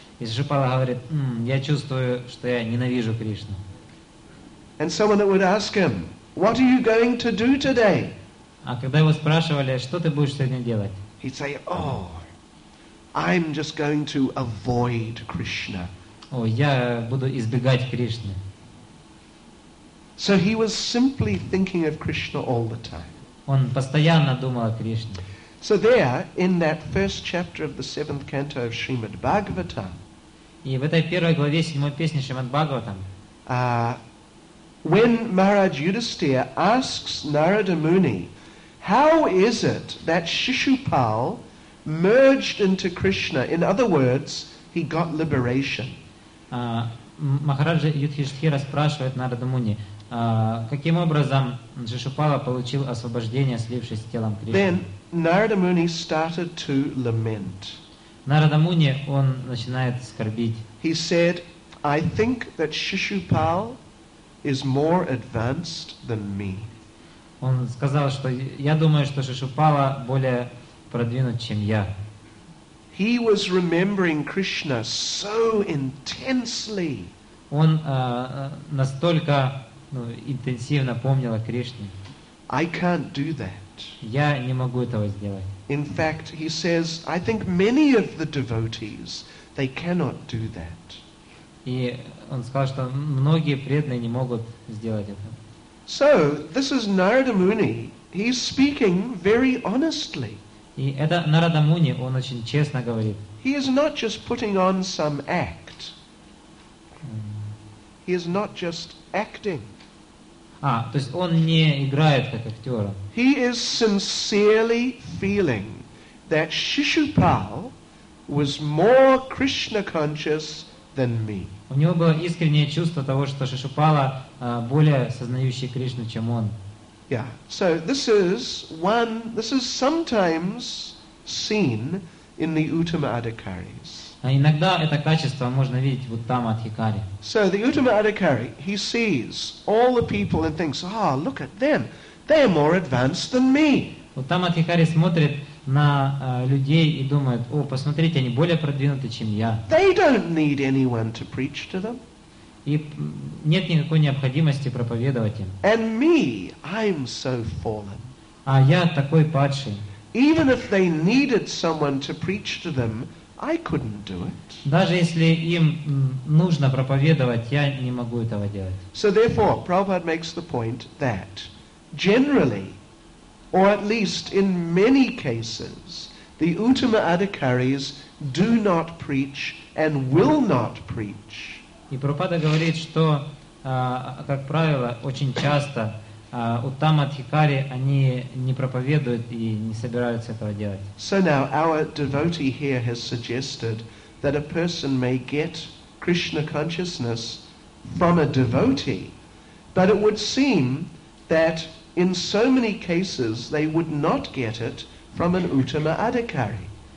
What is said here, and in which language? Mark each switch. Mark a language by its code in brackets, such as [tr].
[ru] И Шишупала говорит, я чувствую, что я ненавижу Кришну. [en] And someone would ask him, what are you going to do today? [ru] А когда его спрашивали, что ты будешь сегодня делать? [en] He'd say, oh, I'm just going to avoid Krishna. [ru] О, я буду избегать Кришны. [en] So he was simply thinking of Krishna all the time. [ru] Он постоянно думал о Кришне. [en] So there, in that first chapter of the seventh canto of Srimad Bhagavatam, [ru] и в этой первой главе седьмой песни Шримад Бхагаватам, [en] when Maharaj Yudhisthira asks Narada Muni, how is it that Shishupal merged into Krishna? In other words, he got liberation. [ru] Махараджа Юдхиштхира спрашивает Нарада Муни, каким образом Шишупала получил освобождение, слившись с телом Кришны? [en] Then Narada Muni started to lament. [ru] Нарада Муни, он начинает скорбить. [en] He said, I think that Shishupal is more advanced than me. [ru] Он сказал, что я думаю, что Шишупала более продвинут, чем я. [en] He was remembering Krishna so intensely. [ru] Он настолько интенсивно помнил о Кришне. [en] I can't do that. [ru] Я не могу этого сделать. [en] In fact, he says, I think many of the devotees, they cannot do that. [ru] И он сказал, что многие преданные не могут сделать это. [en] So, this is Narada Muni. He's speaking very honestly. [ru] И это Нарада Муни, он очень честно говорит. [en] He is not just putting on some act. He is not just acting. [ru] То есть он не играет как актер. [en] He is sincerely feeling that Shishupal was more Krishna conscious than me. [ru] У него было искреннее чувство того, что Шишупала более сознающий Кришну, чем он. [en] Yeah. So this is sometimes seen in the Uttama Adhikaris. [ru] Иногда это качество можно видеть в Uttama Adhikari. [en] So the Uttama Adhikari, he sees all the people and thinks, ah, oh, look at them. They are more advanced than me. [ru] Uttama Adhikari смотрит на людей и думает, о, посмотрите, они более продвинуты, чем я. [en] They don't need anyone to preach to them. [ru] И нет никакой необходимости проповедовать им. [en] And me, I'm so fallen. [ru] А я такой падший. [en] Even if they needed someone to preach to them, I couldn't do it. [ru] Даже если им нужно проповедовать, я не могу этого делать. [en] So therefore, Prabhupada makes the point that generally, or at least in many cases, the Uttama Adhikaris do not preach and will not preach. [ru] И Прабхупада говорит, что, как правило, очень часто Уттама Адхикари, они не проповедуют и не собираются этого делать. [en] So now our devotee here has suggested that a person may get Krishna consciousness from a devotee, but it would seem that in so many cases they would not get it from an Uttama Adhikari.